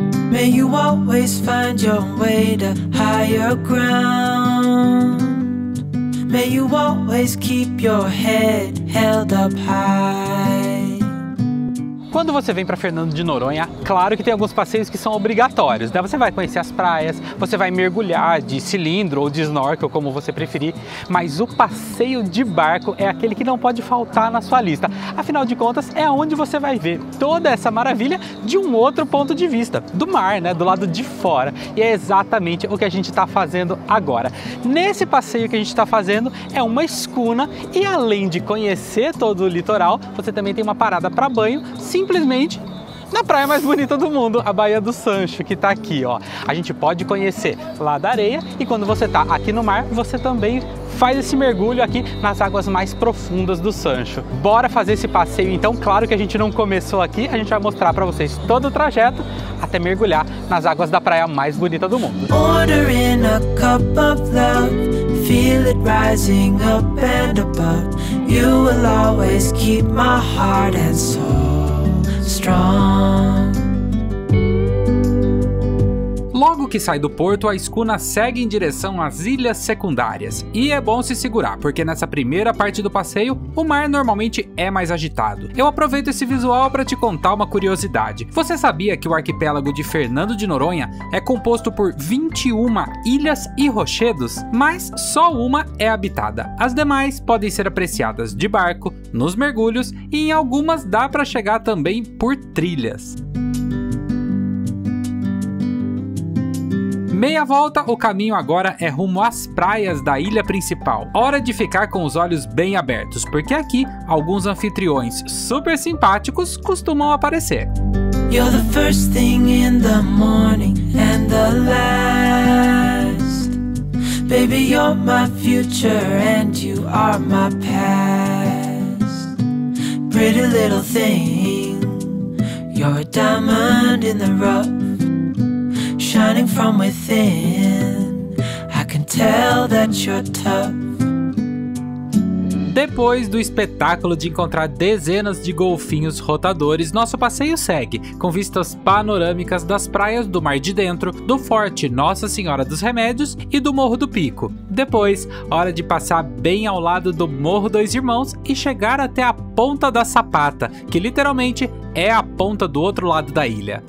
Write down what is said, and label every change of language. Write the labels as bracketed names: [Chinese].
[English] May you always find your way to higher ground. May you always keep your head held up high. [Portuguese] Quando você vem para Fernando de Noronha, claro que tem alguns passeios que são obrigatórios, né? Você vai conhecer as praias, você vai mergulhar de cilindro ou de snorkel, como você preferir, mas o passeio de barco é aquele que não pode faltar na sua lista. Afinal de contas, é onde você vai ver toda essa maravilha de um outro ponto de vista, do mar, né? Do lado de fora. E é exatamente o que a gente está fazendo agora. Nesse passeio que a gente está fazendo, é uma escuna e além de conhecer todo o litoral, você também tem uma parada para banho, simplesmente na praia mais bonita do mundo, a Baía do Sancho, que tá aqui, ó. A gente pode conhecer lá da areia e quando você tá aqui no mar, você também faz esse mergulho aqui nas águas mais profundas do Sancho. Bora fazer esse passeio então. Claro que a gente não começou aqui, a gente vai mostrar para vocês todo o trajeto até mergulhar nas águas da praia mais bonita do mundo. [English] Order in a cup of love, feel it rising up and above. You will always keep my heart and soul strong. [Portuguese] Logo que sai do porto, a escuna segue em direção às ilhas secundárias. E é bom se segurar, porque nessa primeira parte do passeio, o mar normalmente é mais agitado. Eu aproveito esse visual para te contar uma curiosidade. Você sabia que o arquipélago de Fernando de Noronha é composto por 21 ilhas e rochedos? Mas só uma é habitada. As demais podem ser apreciadas de barco, nos mergulhos e em algumas dá para chegar também por trilhas. Meia volta, o caminho agora é rumo às praias da ilha principal. Hora de ficar com os olhos bem abertos, porque aqui alguns anfitriões super simpáticos costumam aparecer. [English] You're the first thing in the morning and the last. Baby, you're my future and you are my past. Pretty little thing, you're a diamond in the rough. Shining from within, I can tell that you're tough. [Portuguese] Depois do espetáculo de encontrar dezenas de golfinhos rotadores, nosso passeio segue, com vistas panorâmicas das praias do Mar de Dentro, do Forte Nossa Senhora dos Remédios e do Morro do Pico. Depois, hora de passar bem ao lado do Morro Dois Irmãos e chegar até a Ponta da Sapata, que literalmente é a ponta do outro lado da ilha.